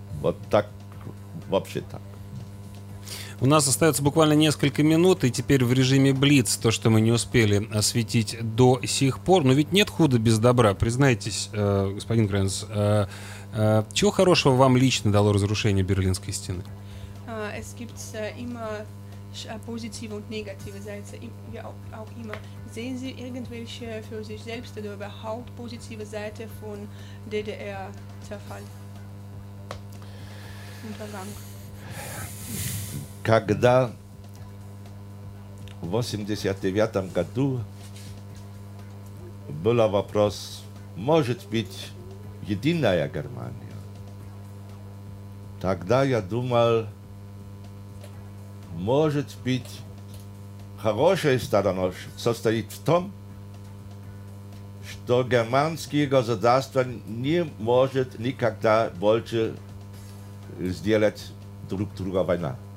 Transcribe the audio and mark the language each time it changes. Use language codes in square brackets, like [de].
[ru] Вот так, вообще так. У нас остается буквально несколько минут, и теперь в режиме блиц то, что мы не успели осветить до сих пор. Но ведь нет худа без добра, признайтесь, господин Крайнс. Чего хорошего вам лично дало разрушение Берлинской стены? [de] Es gibt immer positive und negative Seiten, auch immer. Sehen Sie irgendwelche für sich selbst oder überhaupt positive Seite von DDR-Zerfall? Untergang. [ru] Когда в 89 году был вопрос, может быть, единая Германия, тогда я думал, может быть, хорошая сторона состоит в том, что германские государства не могут никогда больше сделать друг друга война.